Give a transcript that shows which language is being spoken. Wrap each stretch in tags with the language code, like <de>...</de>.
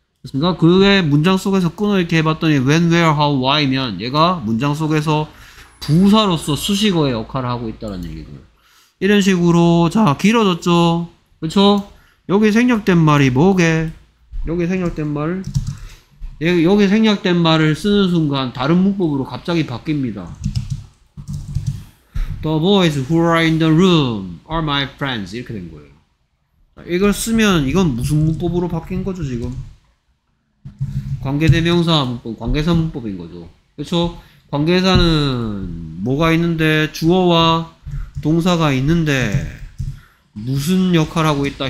<ko>그니까 그게 문장 속에서 끊어 이렇게 해봤더니 when, where, how, why면 얘가 문장 속에서 부사로서 수식어의 역할을 하고 있다는 얘기고요. 이런 식으로 자 길어졌죠. 그렇죠? 여기 생략된 말이 뭐게? 여기 생략된 말 여기 생략된 말을 쓰는 순간 다른 문법으로 갑자기 바뀝니다.</ko> <en>The boys who are in the room are my friends.</en> <ko>이렇게 된 거예요. 이걸 쓰면 이건 무슨 문법으로 바뀐 거죠 지금? 관계대명사 문법, 관계사 문법인 거죠. 그렇죠? 관계사는 뭐가 있는데 주어와 동사가 있는데 무슨 역할하고 있다?</ko>